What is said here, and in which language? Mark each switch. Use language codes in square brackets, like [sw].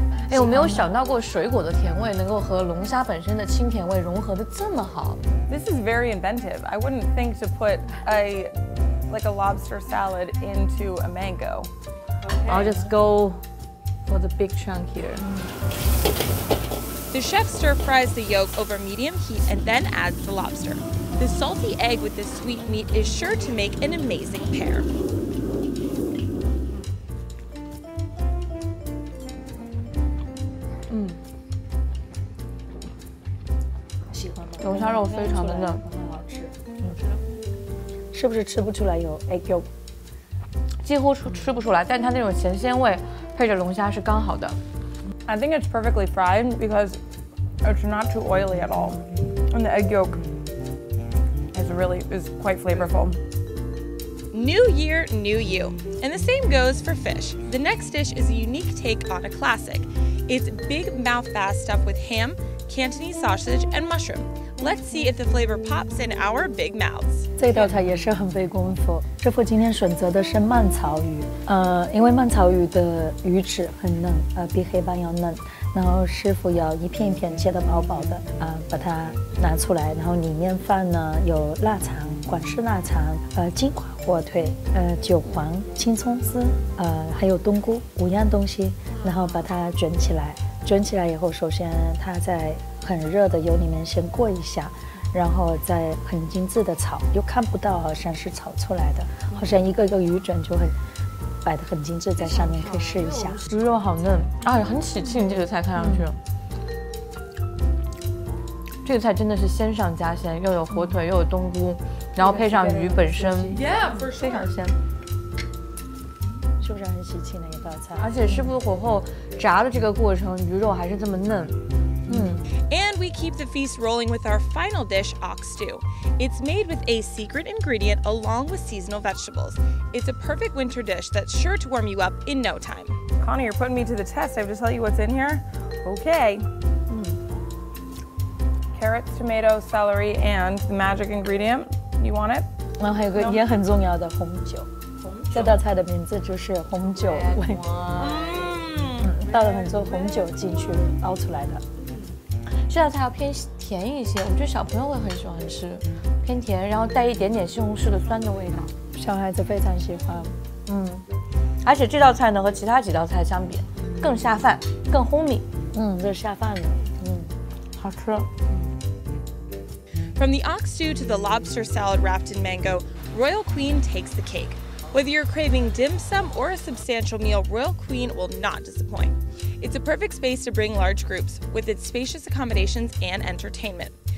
[zh] 哎，我没有想到过水果的甜味能够和龙虾本身的清甜味融合得这么好。 [en] This is very inventive. I wouldn't think to put a lobster salad into a mango. Okay. I'll just go for the big chunk here. The chef stir fries the yolk over medium heat and then adds the lobster. The salty egg with the sweet meat is sure to make an amazing pair. [zh] 龙虾肉非常的嫩，很好吃，是不是吃不出来有 egg yolk？几乎吃不出来，但它那种咸鲜味配着龙虾是刚好的。 [en] I think it's perfectly fried because it's not too oily at all, and the egg yolk is quite flavorful. New year, new you, and the same goes for fish. The next dish is a unique take on a classic. It's big mouth bass stuffed with ham, Cantonese sausage, and mushroom. Let's see if the flavor pops in our big mouths. [zh] 这道菜也是很费功夫。师傅今天选择的是蔓草鱼，因为蔓草鱼的鱼翅很嫩，比黑斑要嫩。然后师傅要一片一片切得薄薄的，把它拿出来。然后里面放呢有腊肠，广式腊肠，金华火腿，韭黄，青葱丝，还有冬菇，五样东西。然后把它卷起来，卷起来以后，首先它在。很热的油里面先过一下，然后再很精致的炒，又看不到好像是炒出来的，好像一个一个鱼卷就很摆得很精致在上面，可以试一下。鱼肉好嫩，哎，很起劲，这个菜看上去。这个菜真的是鲜上加鲜，又有火腿，又有冬菇，然后配上鱼本身， [en] yeah, for sure. [zh] 非常鲜。就是很喜庆的一道菜。而且师傅火候炸的这个过程，鱼肉还是这么嫩。 [en] And we keep the feast rolling with our final dish, ox stew. It's made with a secret ingredient along with seasonal vegetables. It's a perfect winter dish that's sure to warm you up in no time. Connie, you're putting me to the test. I have to tell you what's in here. Okay. Carrots, tomatoes, celery, and the magic ingredient. You want it? [zh] 然后还有个也很重要的红酒。这道菜的名字就是红酒味。倒了很多红酒进去熬出来的。这道菜要偏甜一些，我觉得小朋友会很喜欢吃，偏甜，然后带一点点西红柿的酸的味道，小孩子非常喜欢。而且这道菜呢和其他几道菜相比更下饭，更轰鸣。这下饭的。好吃。 [en] From the ox stew to the lobster salad wrapped in mango, Royal Queen takes the cake. Whether you're craving dim sum or a substantial meal, Royal Queen will not disappoint. It's a perfect space to bring large groups with its spacious accommodations and entertainment.